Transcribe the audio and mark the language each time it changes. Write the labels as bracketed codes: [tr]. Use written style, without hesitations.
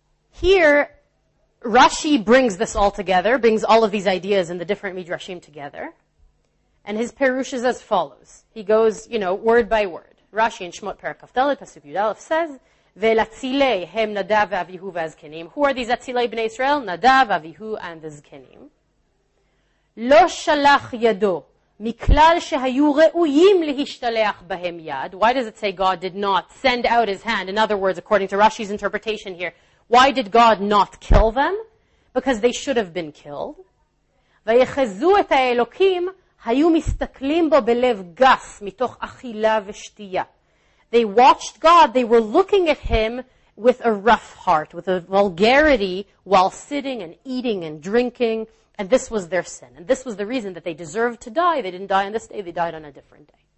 [en] Here, Rashi brings this all together, brings all of these ideas and the different Midrashim together, and his perush is as follows. He goes, you know, word by word. Rashi in Shmot Perek Kaftalet, Pasuk Yudalef says, [he] ולצילי הם נדב ואביהו והזקנים. [en] Who are these [he] הצילי בני ישראל? נדב, אביהו, [en] and the [he] זקנים. לא שלח ידו מכלל שהיו ראויים להשתלח בהם יד. [en] Why does it say God did not send out his hand? In other words, according to Rashi's interpretation here, why did God not kill them? Because they should have been killed. [he] ויחזו את האלוקים היו מסתכלים בו בלב גס מתוך אכילה ושתייה. [en] They watched God, they were looking at him with a rough heart, with a vulgarity, while sitting and eating and drinking, and this was their sin. And this was the reason that they deserved to die. They didn't die on this day, they died on a different day.